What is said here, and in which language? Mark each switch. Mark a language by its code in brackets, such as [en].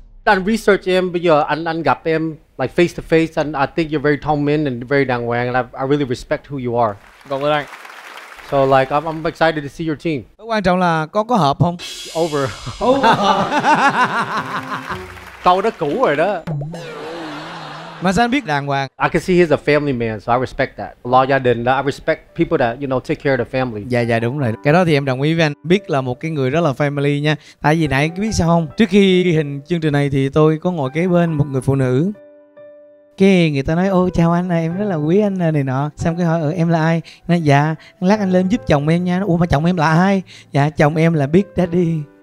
[vi] Anh research em, bây giờ anh gặp em [en] like face to face and I think you're very tall man and very [vi] đàng hoàng [en] and I really respect who you are. [vi] Cảm ơn anh. [en] So like I'm excited to see your team. [vi] Quan trọng là có hợp không? [en] Over. [vi] Câu đó cũ rồi đó. Mà sao anh biết đàng hoàng? [en] I can see he's a family man, so I respect that. [vi] Lo gia đình, [en] I respect people that, you know, take care of the family. [vi] Dạ, dạ, đúng rồi. Cái đó thì em đồng ý với anh. Biết là một cái người rất là family nha. Tại vì nãy, biết sao không? Trước khi ghi hình chương trình này thì tôi có ngồi kế bên một người phụ nữ. Cái người ta nói, ô chào anh, em rất là quý anh này nọ. Xem cái hỏi, em là ai? Nói, dạ, lát anh lên giúp chồng em nha. Ủa mà chồng em là ai? Dạ, chồng em là Big Daddy.